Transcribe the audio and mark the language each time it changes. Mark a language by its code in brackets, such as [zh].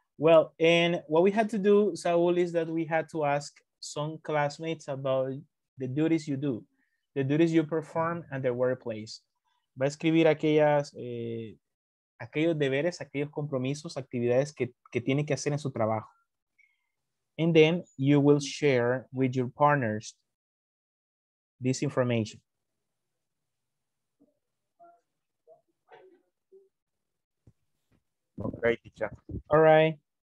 [en] Well, and what we had to do, Saul, is that we had to ask some classmates about the duties you do, the duties you perform at their workplace. [es] Va a escribir aquellas, aquellos deberes, aquellos compromisos, actividades que tiene que hacer en su trabajo. [en] And then you will share with your partners this information. Okay, teacher. All right.